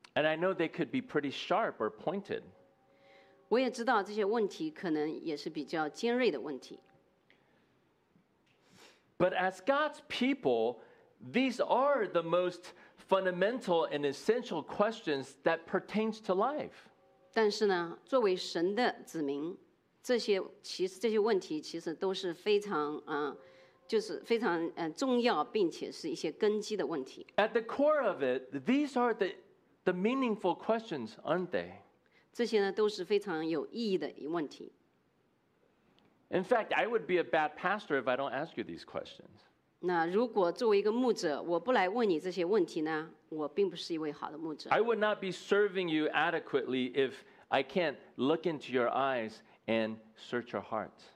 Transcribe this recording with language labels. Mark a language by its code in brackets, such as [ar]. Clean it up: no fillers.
[en] And I know they could be pretty sharp or pointed. [zh] 我也知道这些问题可能也是比较尖锐的问题。 [en] But as God's people, these are the most fundamental and essential questions that pertains to life. [zh] 但是呢，作为神的子民，这些问题其实都是非常就是非常重要，并且是一些根基的问题。 [en] At the core of it, these are the meaningful questions, aren't they? [zh] 这些呢，都是非常有意义的问题。 [en] In fact, I would be a bad pastor if I don't ask you these questions. [zh] 那如果作为一个牧者，我不来问你这些问题呢，我并不是一位好的牧者。 [en] I would not be serving you adequately if I can't look into your eyes and search your heart.